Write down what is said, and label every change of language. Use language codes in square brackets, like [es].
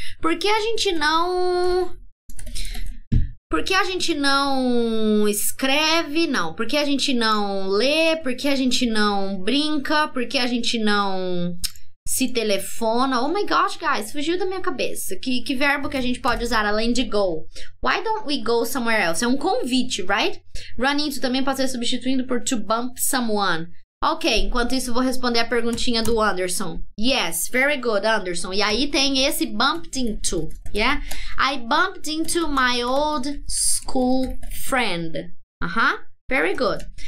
[pt] Por que a gente não. Por que a gente não escreve? Não. Por que a gente não lê? Por que a gente não brinca? Por que a gente não. Se telefona. Oh my gosh, guys, fugiu da minha cabeça. Que verbo que a gente pode usar além de go? [en] Why don't we go somewhere else? [pt] É um convite, [en] right? [pt] Run into também pode ser substituindo por to bump someone. Ok, enquanto isso, eu vou responder a perguntinha do Anderson. [en] Yes, very good, Anderson. [pt] E aí tem esse [en] bumped into, yeah? I bumped into my old school friend. Very good.